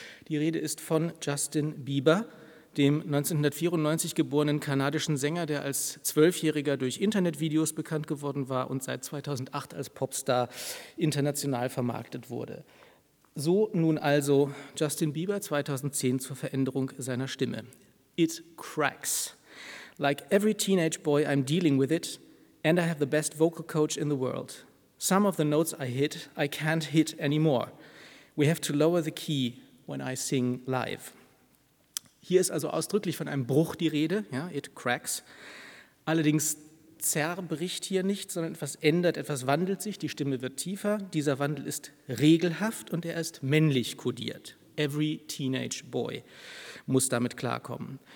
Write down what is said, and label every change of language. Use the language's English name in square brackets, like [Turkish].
[German] Die Rede ist von Justin Bieber, dem 1994 geborenen kanadischen Sänger, der als 12-Jähriger durch Internetvideos bekannt geworden war und seit 2008 als Popstar international vermarktet wurde. So nun also Justin Bieber 2010 zur Veränderung seiner Stimme. [English] It cracks. Like every teenage boy, I'm dealing with it and I have the best vocal coach in the world. Some of the notes I hit, I can't hit anymore. We have to lower the key when I sing live. [German] Hier ist also ausdrücklich von einem Bruch die Rede, ja, [English] it cracks. [German] Allerdings zerbricht hier nicht, sondern etwas ändert, etwas wandelt sich, die Stimme wird tiefer. Dieser Wandel ist regelhaft und er ist männlich kodiert. [English] Every teenage boy [German] muss damit klarkommen.